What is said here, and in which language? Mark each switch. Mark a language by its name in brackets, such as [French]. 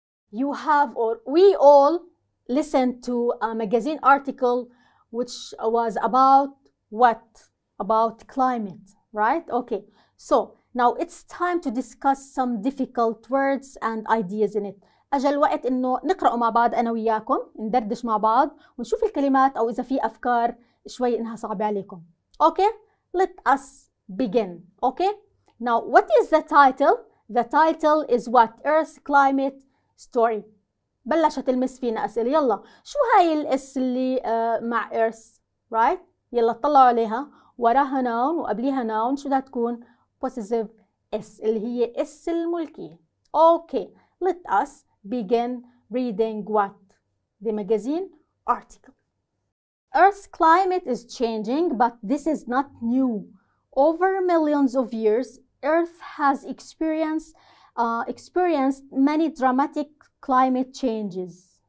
[English] you have or we all listened to a magazine article which was about what? About climate, right? Okay, so now it's time to discuss some difficult words and ideas in it. [Arabic] أجا الوقت إنه نقرأ مع بعض أنا وياكم، ندردش مع بعض ونشوف الكلمات أو إذا في أفكار شوي إنها صعبة عليكم. [English] Okay, let us begin. Okay, now what is the title? The title is what? Earth climate story. [Arabic] بلشت المس فينا أسئلة، يلا شو هاي الاس اللي مع earth؟ Right؟ يلا اطلعوا عليها، وراها noun وقبليها noun، شو بدها تكون؟ Possessive s اللي هي اس الملكية. [English] Okay, let us begin reading what? The magazine article. Earth's climate is changing, but this is not new. Over millions of years, Earth has experienced many dramatic climate changes.